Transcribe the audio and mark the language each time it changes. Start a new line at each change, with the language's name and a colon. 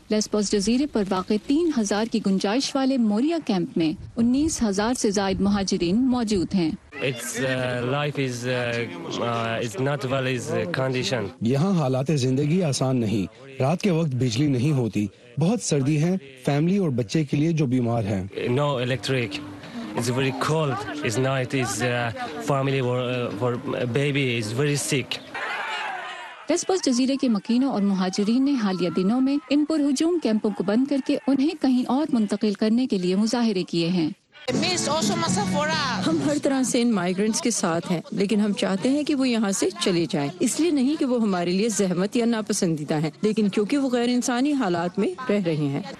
Hindi: Lesbos जजीरे पर वाकई 3,000 की गुंजाइश वाले मोरिया कैंप में 19,000 से ज़ायद महाजरीन मौजूद हैं। यहाँ हालात जिंदगी आसान नहीं। रात के वक्त बिजली नहीं होती, बहुत सर्दी है, फैमिली और बच्चे के लिए जो बीमार है।
English: No electric, it's very cold, it's night, it's family for baby is very sick.
Hindi: Lesbos जजीरे के मकीनों और मुहाजरीन ने हालिया दिनों में इन पर हुजूम कैंपों को बंद करके उन्हें कहीं और मुंतकिल करने के लिए मुजाहरे किए हैं। हम हर तरह से इन माइग्रेंट्स के साथ हैं, लेकिन हम चाहते हैं कि वो यहाँ से चले जाएं। इसलिए नहीं कि वो हमारे लिए जहमत या नापसंदीदा हैं, लेकिन क्योंकि वो गैर इंसानी हालात में रह रहे हैं।